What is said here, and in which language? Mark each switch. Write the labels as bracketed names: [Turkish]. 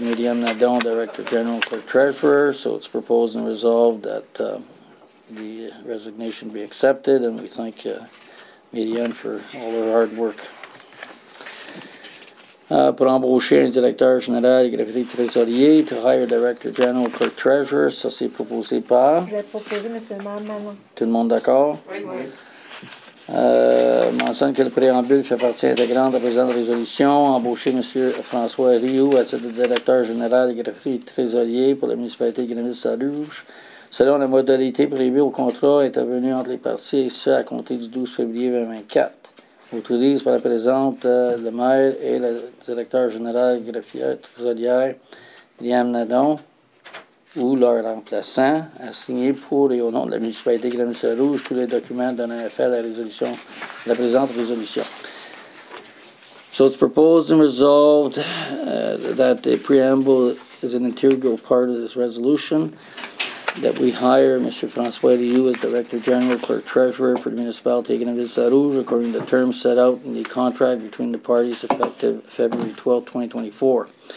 [English] Myriane Adon, Director General Clerk Treasurer, so it's proposed and resolved that the resignation be accepted, and we thank Myriane for all her hard work. [French] Pour embaucher un directeur général et greffier trésorier, [English] to hire Director General Clerk Treasurer, [French] ça c'est proposé par. Je vais proposer, M. le maire. Tout le monde d'accord? Oui, oui. Mentionne que le préambule fait partie intégrante de la présente résolution. Embaucher M. François Rioux à titre de directeur général et greffier trésorier pour la municipalité de Grenville-Sarrouge. Selon la modalité prévue au contrat intervenu entre les parties et ce, à compter du 12 février 2024. Autorise par la présente le maire et le directeur général et greffier trésorier, Myriane Adon, ou leur remplaçant, à signer pour et au nom de la municipalité de Grenville-Sarrouge tous les documents donnant effet à la résolution, la présente résolution. [English] So it's proposed and resolved that the preamble is an integral part of this resolution, that we hire Mr. François Rioux as Director General, Clerk Treasurer for the municipality of Grenville-Sarrouge according to the terms set out in the contract between the parties effective February 12, 2024.